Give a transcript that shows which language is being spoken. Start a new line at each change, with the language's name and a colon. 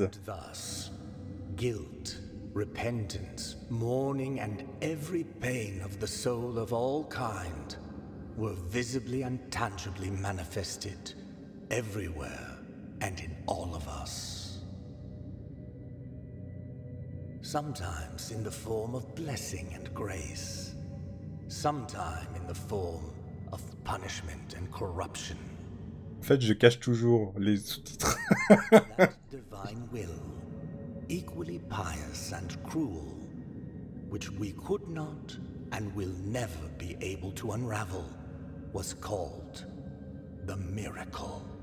English: And thus, guilt, repentance, mourning and every pain of the soul of all kind were visibly and tangibly manifested everywhere. And in all of us. Sometimes in the form of blessing and grace. Sometimes in the form of punishment and corruption.
French: En fait, je cache toujours les sous-titres.
English: That divine will, equally pious and cruel, which we could not and will never be able to unravel, was called the miracle.